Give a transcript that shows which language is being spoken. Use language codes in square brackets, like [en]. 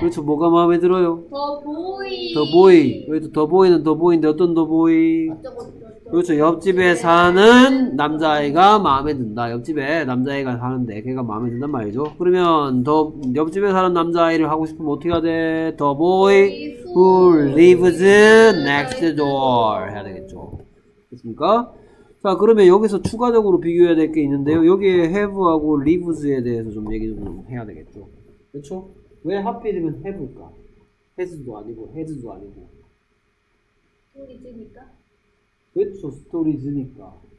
[ko] 그렇죠. 뭐가 마음에 들어요? [en] The boy. The boy. [ko] 왜 더 보이는 더 보이인데 어떤 더 보이? 그렇죠. 옆집에 네. 사는 남자아이가 마음에 든다. 옆집에 남자아이가 사는데 걔가 마음에 든단 말이죠. 그러면 더 옆집에 사는 남자아이를 하고 싶으면 어떻게 해야 돼? [en] The boy who lives next door [ko] 해야 되겠죠. 됐습니까? 자, 그러면 여기서 추가적으로 비교해야 될게 있는데요. 여기에 have하고 lives에 대해서 좀 얘기 좀 해야 되겠죠. 그렇죠? 왜 하필이면 해볼까? 해즈도 아니고 해즈도 아니고 스토리즈니까? 그렇죠. 스토리즈니까.